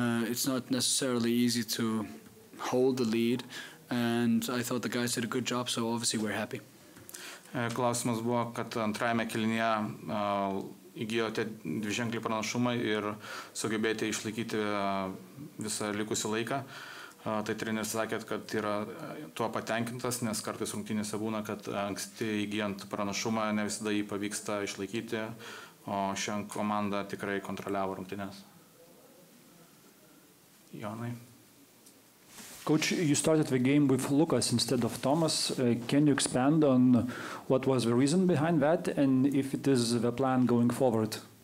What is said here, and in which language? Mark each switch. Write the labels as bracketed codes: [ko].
[en] It's not necessarily easy to hold the lead, and I thought the guys did a good job, so obviously we're happy. [lt] Klausimas buvo, kad antrajame kelinėje įgijote dviženklį pranašumą ir sugebėjote išlaikyti visą likusį laiką. Tai treneris sakė, kad yra tuo patenkintas, nes kartais rungtynėse būna, kad anksti įgijant pranašumą ne visada jį pavyksta išlaikyti, o šiandien komanda tikrai kontroliavo rungtynės. Jonai. [en] Coach, you started the game with Lucas instead of Thomas. Can you expand on what was the reason behind that and if it is the plan going forward?